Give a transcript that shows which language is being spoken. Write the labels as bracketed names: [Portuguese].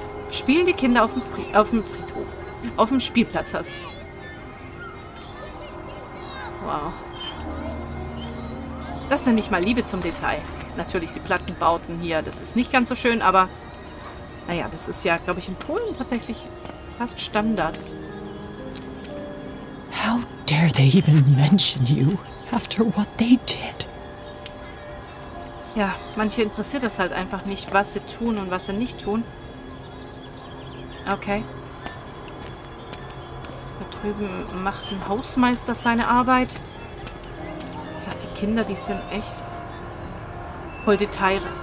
[German] Spielen die Kinder auf dem Friedhof. Auf dem Spielplatz hast. Wow. Das nenne ich mal Liebe zum Detail. Natürlich die Plattenbauten hier. Das ist nicht ganz so schön, aber... Naja, das ist ja, glaube ich, in Polen tatsächlich fast Standard. [English] How dare they even mention you after what they did? [German] Ja, manche interessiert das halt einfach nicht, was sie tun und was sie nicht tun. Okay. Da drüben macht ein Hausmeister seine Arbeit. Ich sag, die Kinder, die sind echt voll detailreich.